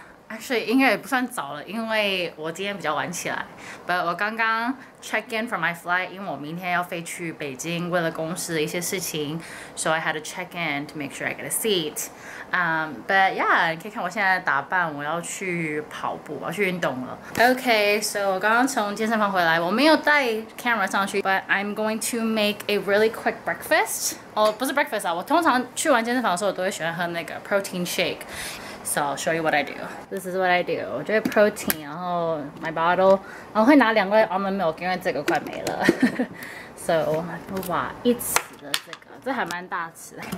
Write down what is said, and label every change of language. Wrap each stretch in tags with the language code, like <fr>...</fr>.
<zh>Actually， 应该也不算早了，因为我今天比较晚起来。</zh> <en>But 我刚刚 check in from my flight，因为我明天要飞去北京，为了公司的一些事情，so I had to check in to make sure I get a seat。</en> <zh>But yeah，你可以看我现在的打扮，我要去跑步，我要去运动了。</zh> <en>Okay， so 我刚刚从健身房回来，我没有带 camera 上去，but I'm going to make a really quick breakfast。</en> <zh>哦，不是 breakfast 啊，我通常去完健身房的时候，我都会喜欢喝那个 protein shake。 So I'll show you what I do. This is what I do. 我就是 protein， 然后 my bottle，然后会拿两罐 almond milk， 因为这个快没了。 So 我把一匙的这个，这还蛮大匙。</zh>